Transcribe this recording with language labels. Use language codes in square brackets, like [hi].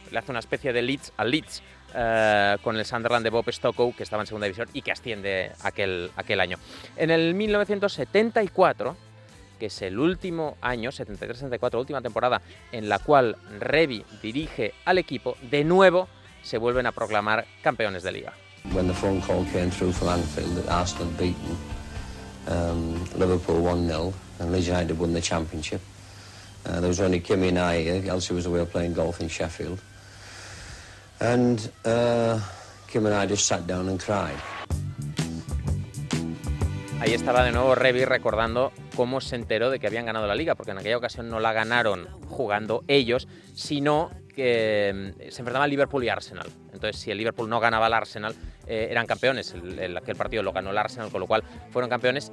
[es] Le hace una especie de Leeds al Leeds. Con el Sunderland de Bob Stokoe, que estaba en segunda división y que asciende aquel año. En el 1974, que es el último año, 73-74, última temporada, en la cual Revi dirige al equipo, de nuevo se vuelven a proclamar campeones de Liga. Cuando el [en] phone call came through from Anfield, Arsenal beaten Liverpool 1-0 and Leeds United won the championship. There was only Kimmy and I here. Elsie was away playing golf in Sheffield. And Kim and I just sat down and cried. [es] Ahí estaba de nuevo Revi recordando cómo se enteró de que habían ganado la liga, porque en aquella ocasión no la ganaron jugando ellos, sino que se enfrentaban a Liverpool y Arsenal. Entonces, si el Liverpool no ganaba al Arsenal, eran campeones. Aquel partido lo ganó el Arsenal, con lo cual fueron campeones.